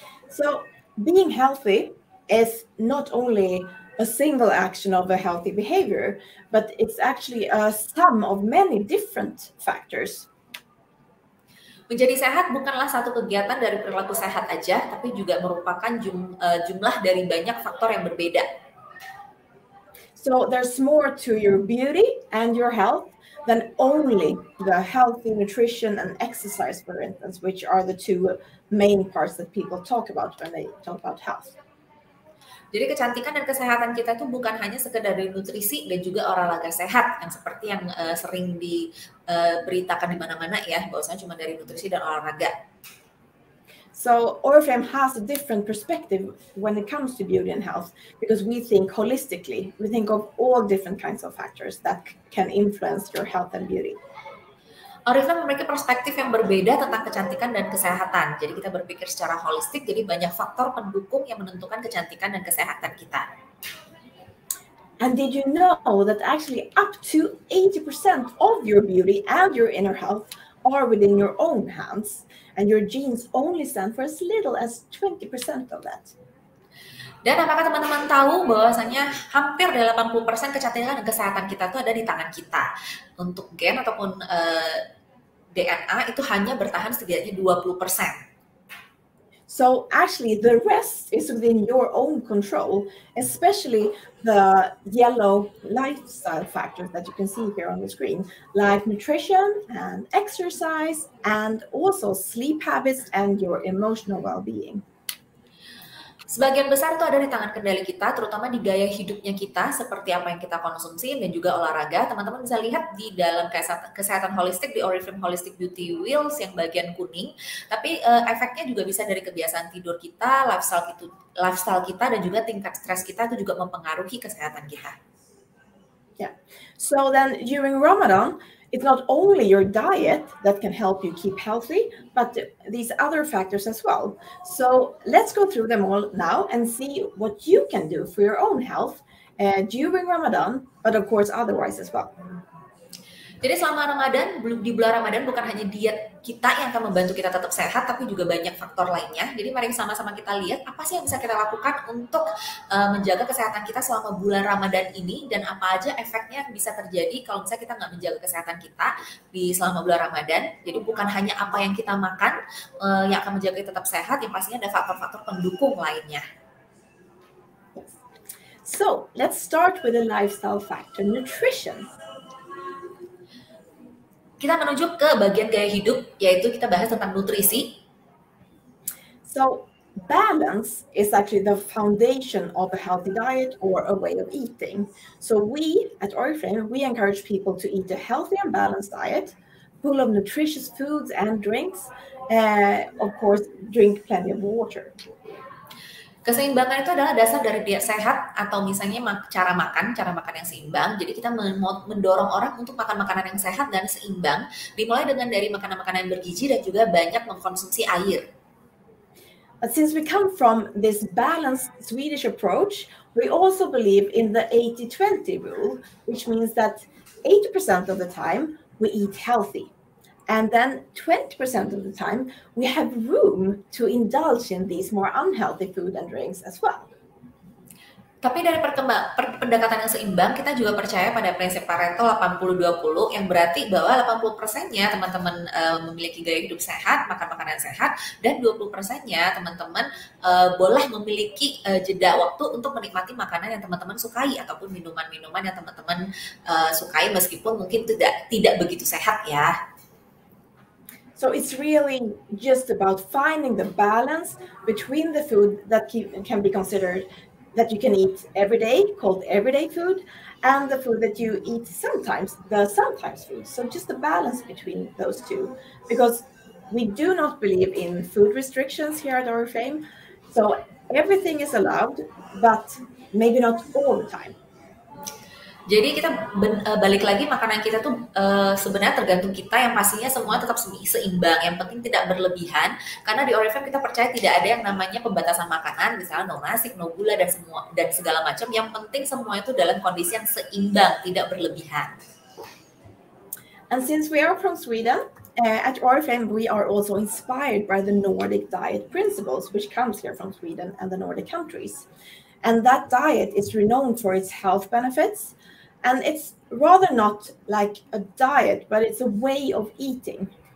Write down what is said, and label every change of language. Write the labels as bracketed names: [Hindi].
[English] So being healthy is not only a single action of a healthy behavior, but it's actually a sum of many different factors. [Indonesian] Menjadi sehat bukanlah satu kegiatan dari perilaku sehat aja, tapi juga merupakan jumlah dari banyak faktor yang berbeda. [English] So there's more to your beauty and your health than only the healthy nutrition and exercise, for instance, which are the two main parts that people talk about when they talk about health. [Indonesian] Jadi kecantikan dan kesehatan kita itu bukan hanya sekedar dari nutrisi dan juga olahraga sehat yang seperti yang sering diberitakan di mana-mana ya, bahwasanya cuma dari nutrisi dan olahraga. [English] So Oriflame has a different perspective when it comes to beauty and health because we think holistically. We think of all different kinds of factors that can influence your health and beauty. [Indonesian] Oriflame memiliki perspektif yang berbeda tentang kecantikan dan kesehatan. Jadi kita berpikir secara holistik, jadi banyak faktor pendukung yang menentukan kecantikan dan kesehatan kita. [English] And did you know that actually up to 80% of your beauty and your inner health are within your own hands and your genes only stand for as little as 20% of that? [Indonesian] Dan apakah teman-teman tahu bahwasanya hampir 80% kecantikan dan kesehatan kita itu ada di tangan kita. Untuk gen ataupun DNA itu hanya bertahan setidaknya 20%. [English] So actually the rest is within your own control, especially the yellow lifestyle factors that you can see here on the screen, like nutrition and exercise and also sleep habits and your emotional well-being. [Indonesian] Sebagian besar itu ada di tangan kendali kita, terutama di gaya hidupnya kita, seperti apa yang kita konsumsi dan juga olahraga. Teman-teman bisa lihat di dalam kesehatan holistik di Oriflame Holistic Beauty Wheels yang bagian kuning. Tapi efeknya juga bisa dari kebiasaan tidur kita, lifestyle kita, dan juga tingkat stres kita itu juga mempengaruhi kesehatan kita. Yeah. [English] So then during Ramadan, it's not only your diet that can help you keep healthy, but these other factors as well. So let's go through them all now and see what you can do for your own health during Ramadan, but of course otherwise as well. [Indonesian] Jadi selama Ramadan, di bulan Ramadan bukan hanya diet kita yang akan membantu kita tetap sehat, tapi juga banyak faktor lainnya. Jadi mari sama-sama kita lihat apa sih yang bisa kita lakukan untuk menjaga kesehatan kita selama bulan Ramadan ini, dan apa aja efeknya yang bisa terjadi kalau misalnya kita nggak menjaga kesehatan kita di selama bulan Ramadan. Jadi bukan hanya apa yang kita makan yang akan menjaga kita tetap sehat, yang pastinya ada faktor-faktor pendukung lainnya. [English] So, let's start with a lifestyle factor, nutrition. [Indonesian] Kita menuju ke bagian gaya hidup, yaitu kita bahas tentang nutrisi. [English] So, balance is actually the foundation of a healthy diet or a way of eating. So we at Oriflame, we encourage people to eat a healthy and balanced diet, full of nutritious foods and drinks, of course, drink plenty of water. [Indonesian] Keseimbangan itu adalah dasar dari diet sehat atau misalnya cara makan yang seimbang. Jadi kita mendorong orang untuk makan makanan yang sehat dan seimbang, dimulai dengan dari makanan-makanan yang bergizi dan juga banyak mengkonsumsi air. [English] But since we come from this balanced Swedish approach, we also believe in the 80-20 rule, which means that 80% of the time we eat healthy. And then 20% of the time, we have room to indulge in these more unhealthy food and drinks as well. [Indonesian] Tapi dari pendekatan yang seimbang, kita juga percaya pada prinsip Pareto 80-20 yang berarti bahwa 80%-nya teman-teman memiliki gaya hidup sehat, makan makanan sehat, dan 20%-nya teman-teman boleh memiliki jeda waktu untuk menikmati makanan yang teman-teman sukai ataupun minuman-minuman yang teman-teman sukai meskipun mungkin tidak begitu sehat ya. [English] So it's really just about finding the balance between the food that can be considered that you can eat every day, called everyday food, and the food that you eat sometimes, the sometimes food. So just the balance between those two, because we do not believe in food restrictions here at Oriflame. So everything is allowed, but maybe not all the time. [Indonesian] Jadi kita balik lagi, makanan kita tuh sebenarnya tergantung kita, yang pastinya semua tetap seimbang, yang penting tidak berlebihan. Karena di Oriflame kita percaya tidak ada yang namanya pembatasan makanan, misalnya no nasi, no gula, dan segala macam. Yang penting semua itu dalam kondisi yang seimbang, tidak berlebihan. [English] And since we are from Sweden, at Oriflame we are also inspired by the Nordic diet principles, which comes here from Sweden and the Nordic countries. And that diet is renowned for its health benefits. And it's rather not like a diet, but it's a way of eating.